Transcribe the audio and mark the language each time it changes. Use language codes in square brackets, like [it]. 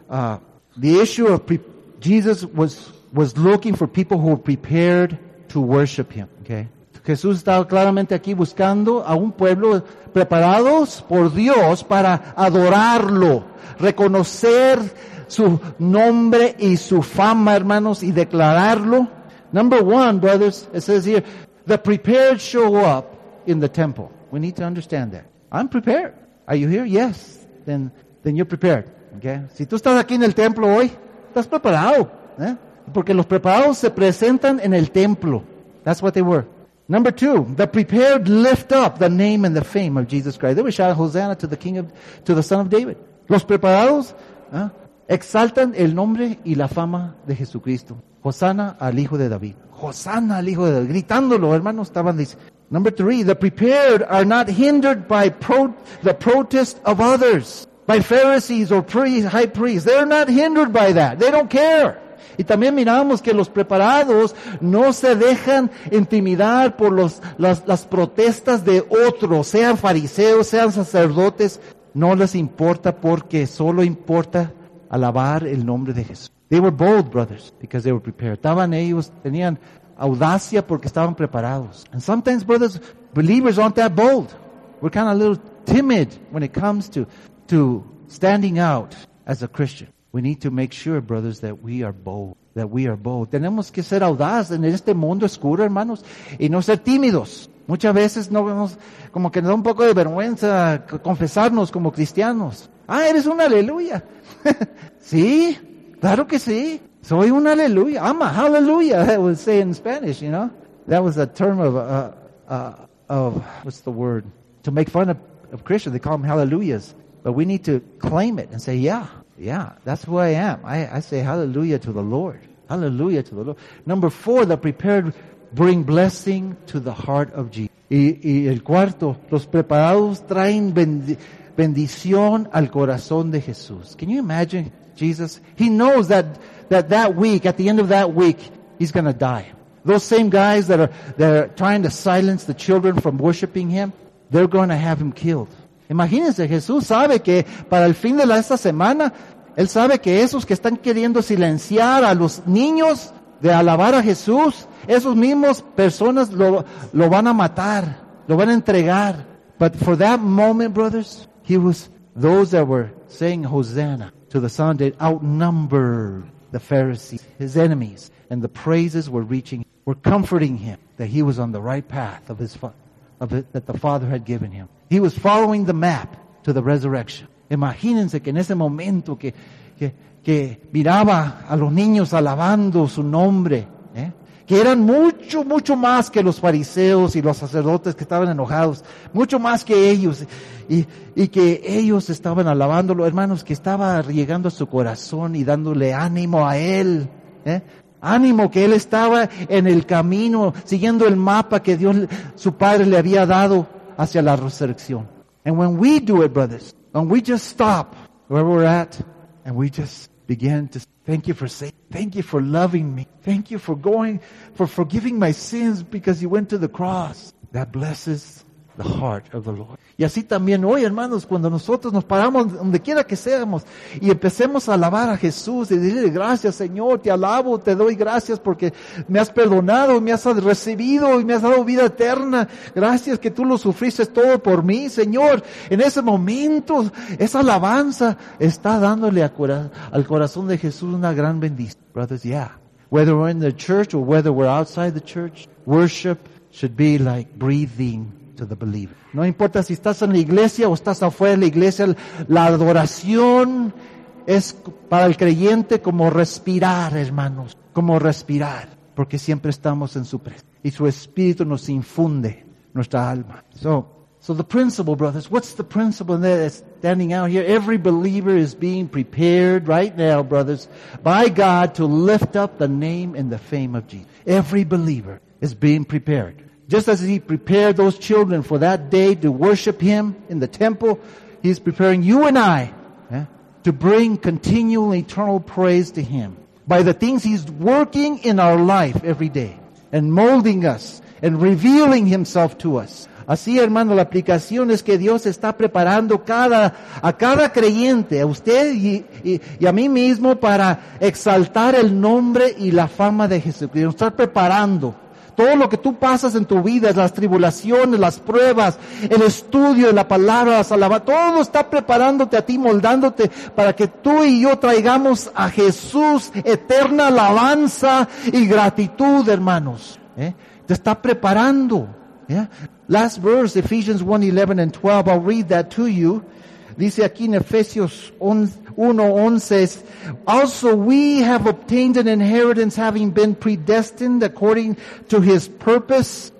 [en] The issue of Jesus was looking for people who were prepared to worship Him. Okay. [es] Jesús estaba claramente aquí buscando a un pueblo preparados por Dios para adorarlo, reconocer su nombre y su fama, hermanos, y declararlo. [en] Number one, brothers, it says here, the prepared show up in the temple. We need to understand that. I'm prepared. Are you here? Yes. Then you're prepared, okay? [es] Si tú estás aquí en el templo hoy, estás preparado, ¿eh? Porque los preparados se presentan en el templo. [en] That's what they were. Number two, the prepared lift up the name and the fame of Jesus Christ. They were shouting Hosanna to the King of, to the Son of David. [es] Los preparados exaltan el nombre y la fama de Jesucristo. Hosanna al Hijo de David. Hosanna al Hijo de David. Gritándolo, hermanos, estaban diciendo. [en] Number three, the prepared are not hindered by the protest of others, by Pharisees or high priests. They're not hindered by that. They don't care. [es] Y también miramos que los preparados no se dejan intimidar por las protestas de otros, sean fariseos, sean sacerdotes. No les importa porque solo importa alabar el nombre de Jesús. [en] They were bold, brothers, because they were prepared. [es] Estaban ellos, tenían audacia porque estaban preparados. [en] And sometimes, brothers, believers aren't that bold. We're kind of a little timid when it comes to standing out as a Christian. We need to make sure, brothers, that we are bold. That we are bold. [es] Tenemos que ser audaz en este mundo oscuro, hermanos, y no ser tímidos. Muchas veces no vemos, como que nos da un poco de vergüenza confesarnos como cristianos. Ah, eres un aleluya. Sí, claro que sí. Soy un aleluya. [en] I'm a hallelujah, that would say in Spanish, you know. That was a term of what's the word? To make fun of Christians, they call them hallelujahs. But we need to claim it and say, yeah. Yeah, that's who I am. I say hallelujah to the Lord. Hallelujah to the Lord. Number four, the prepared bring blessing to the heart of Jesus. [es] Y el cuarto, los preparados traen bendición al corazón de Jesús. [en] Can you imagine Jesus? He knows that week, at the end of that week, he's going to die. Those same guys that are trying to silence the children from worshiping him, they're going to have him killed. [es] Imagínense, Jesús sabe que para el fin de esta semana, Él sabe que esos que están queriendo silenciar a los niños de alabar a Jesús, esos mismos personas lo van a matar, lo van a entregar. [en] But for that moment, brothers, he was those that were saying Hosanna to the Son that outnumbered the Pharisees, his enemies, and the praises were reaching, were comforting him that he was on the right path of his father. Of it that the Father had given him. He was following the map to the resurrection. [es] Imagínense que en ese momento que miraba a los niños alabando su nombre, que eran mucho, mucho más que los fariseos y los sacerdotes que estaban enojados, mucho más que ellos, y que ellos estaban alabándolo, hermanos, que estaba llegando a su corazón y dándole ánimo a él, Ánimo que él estaba en el camino, siguiendo el mapa que Dios, su Padre, le había dado hacia la resurrección. [en] And when we do it, brothers, when we just stop wherever we're at, and we just begin to thank you for saving, thank you for loving me, thank you for going, for forgiving my sins because you went to the cross, that blesses the heart of the Lord. [es] Y así también hoy, hermanos, cuando nosotros nos paramos donde quiera que seamos y empecemos a alabar a Jesús y decirle gracias, Señor, te alabo, te doy gracias porque me has perdonado, me has recibido y me has dado vida eterna. Gracias que tú lo sufriste todo por mí, Señor. En ese momento, esa alabanza está dándole al corazón de Jesús una gran bendición. [en] Brothers, yeah. Whether we're in the church or whether we're outside the church, worship should be like breathing to the believer. [es] No importa si estás en la iglesia o estás afuera de la iglesia, la adoración es para el creyente como respirar, hermanos, como respirar, porque siempre estamos en su presencia y su espíritu nos infunde nuestra alma. [en] So the principle, brothers, what's the principle that is standing out here? Every believer is being prepared right now, brothers, by God to lift up the name and the fame of Jesus. Every believer is being prepared. Just as he prepared those children for that day to worship him in the temple, he's preparing you and I to bring continual eternal praise to him by the things he's working in our life every day and molding us and revealing himself to us. [es] Así, hermano, la aplicación es que Dios está preparando a cada creyente, a usted y a mí mismo, para exaltar el nombre y la fama de Jesucristo. Estar preparando. Todo lo que tú pasas en tu vida, las tribulaciones, las pruebas, el estudio de la palabra, las alabanzas, todo está preparándote a ti, moldándote para que tú y yo traigamos a Jesús eterna alabanza y gratitud, hermanos. Te está preparando. [en] Last verse, Ephesians 1, 11 and 12, I'll read that to you. [es] Dice aquí en Efesios 1:11, [en] also we have obtained an inheritance having been predestined according to his purpose,